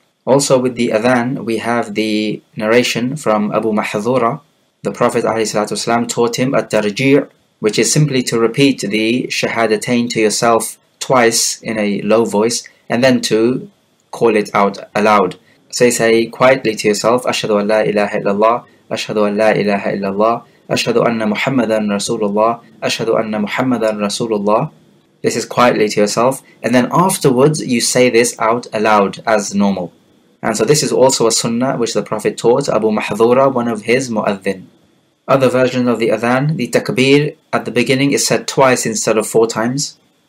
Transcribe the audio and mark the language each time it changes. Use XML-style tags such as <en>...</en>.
<en>Also with the Adhan, we have the narration from Abu Mahdhura. The Prophet ﷺ taught him at-tarji', which is simply to repeat the shahadatain to yourself twice in a low voice and then to call it out aloud. So you say quietly to yourself,</en> <ar>أشهد أن لا إله إلا الله, أشهد أن لا إله إلا الله, أشهد أن محمدا رسول الله, أشهد أن محمدا رسول الله.</ar> <en>This is quietly to yourself. And then afterwards, you say this out aloud as normal. And so this is also a sunnah which the Prophet taught Abu Mahdhura, one of his mu'adhin. Other versions of the adhan, the takbir at the beginning is said twice instead of four times.</en>